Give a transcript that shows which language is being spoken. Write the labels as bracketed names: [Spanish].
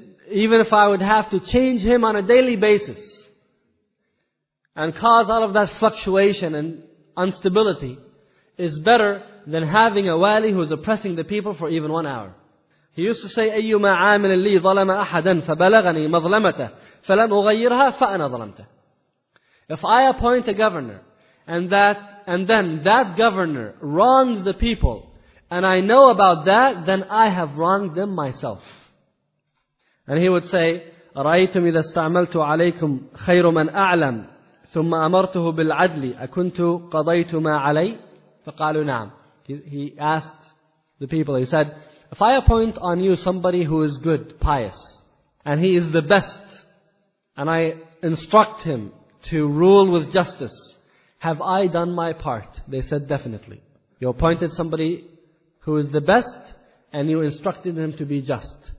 [English] Even if I would have to change him on a daily basis and cause all of that fluctuation and instability, is better than having a wali who is oppressing the people for even 1 hour. He used to say, [Arabic] "أَيُّمَا عَامِلٍ لِّي ظَلَمَ أَحَدًا فَبَلَغَنِي مَظْلَمَتَهُ فَلَمْ أُغَيِّرْهَا فَأَنَا ظَلَمْتَهُ." [English] If I appoint a governor and then that governor wrongs the people, and I know about that, then I have wronged them myself. And he would say, [Arabic] "رَأَيْتُمْ إِذَا اسْتَعْمَلْتُ عَلَيْكُمْ خَيْرُ مَنْ أَعْلَمْ ثُمَّ أَمَرْتُهُ بِالْعَدْلِ أَكُنْتُ قَضَيْتُ مَا عَلَيْهِ فَقَالُوا نَعَمْ." [English] He asked the people, he said, "If I appoint on you somebody who is good, pious, and he is the best, and I instruct him to rule with justice, have I done my part?" They said, "Definitely. You appointed somebody who is the best, and you instructed him to be just.